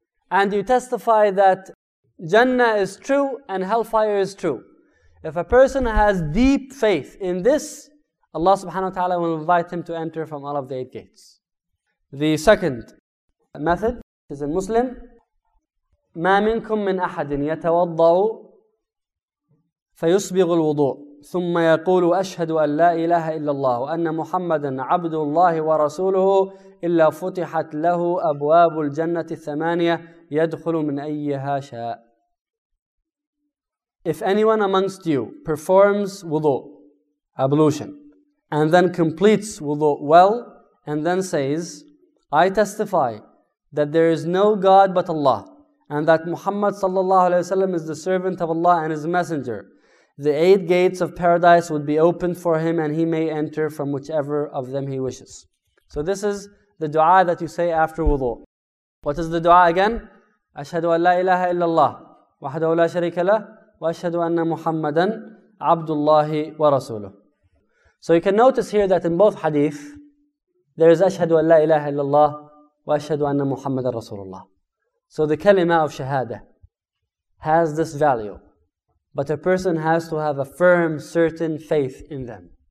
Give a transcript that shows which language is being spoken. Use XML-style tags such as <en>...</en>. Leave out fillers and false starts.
<en>And you testify that Jannah is true and hellfire is true. If a person has deep faith in this, Allah subhanahu wa ta'ala will invite him to enter from all of the eight gates. The second method is in Muslim.</en> <ar>ما منكم من أحد يتوضأ فيصبغ الوضوء ثم يقول أشهد أن لا إله إلا الله أن محمدا عبد الله ورسوله إلا فتحت له أبواب الجنة الثمانية يدخل من أيها شاء.</ar> <en>If anyone amongst you performs wudu, ablution, and then completes wudu well, and then says, I testify that there is no God but Allah, and that Muhammad sallallahu alayhi wa sallam is the servant of Allah and his messenger, the eight gates of paradise would be opened for him and he may enter from whichever of them he wishes. So this is the dua that you say after wudu. What is the dua again?</en> <ar>أشهد أن لا إله إلا الله وحده لا شريك له وأشهد أن محمدا عبد الله ورسوله.</ar> <en>So you can notice here that in both hadith, there is</en> <ar>أشهد أن لا إله إلا الله وَأَشْهَدُ أَنَّ مُحَمَّدًا رَسُولُ اللَّهِ.</ar> <en>So the kalima of shahada has this value. But a person has to have a firm, certain faith in them.</en>